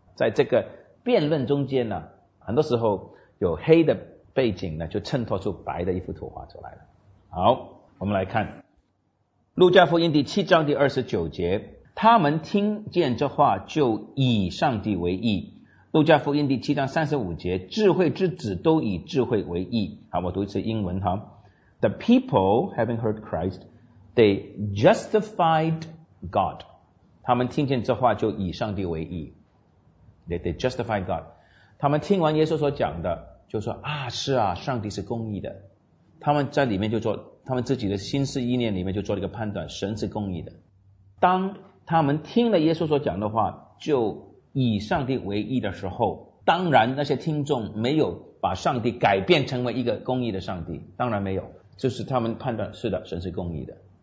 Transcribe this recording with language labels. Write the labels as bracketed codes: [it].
[zh] 在这个辩论中间呢，很多时候有黑的背景呢，就衬托出白的一幅图画出来了。好，我们来看路加福音第七章第29节，他们听见这话就以上帝为义。路加福音第七章35节，智慧之子都以智慧为义。好，我读一次英文哈。 [en] The people having heard Christ, they justified God. [zh] 他们听见这话就以上帝为义。 [en] They justified God. [zh] 他们听完耶稣所讲的就说啊，是啊，上帝是公义的。他们在里面就做，他们自己的心思意念里面就做了一个判断，神是公义的。当他们听了耶稣所讲的话就以上帝为义的时候，当然那些听众没有把上帝改变成为一个公义的上帝，当然没有，就是他们判断是的，神是公义的。